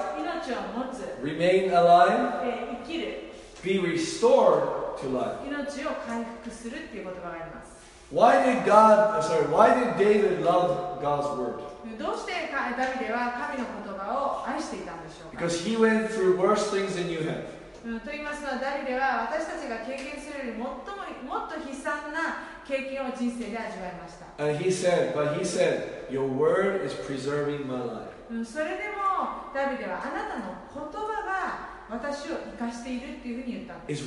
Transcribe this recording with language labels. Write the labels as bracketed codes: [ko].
[ja] 命を持つ。 [en] Remain alive. [ja] 生きる。 [en] Be restored to life. [ja] 命を回復するっていう言葉があります。 [en] Why did God, sorry, why did David love God's word? [ja] どうしてダビデは神の言葉を愛していたんでしょうか。 [en] Because he went through worse things than you have. [ja] と言いますのは、ダビデは私たちが経験するより もっと悲惨な経験を人生で味わいました。 [en] He said, Your word is preserving my life. [ja] それでも、ダビデはあなたの言葉が私を生かしているっていうふうに言ったんです。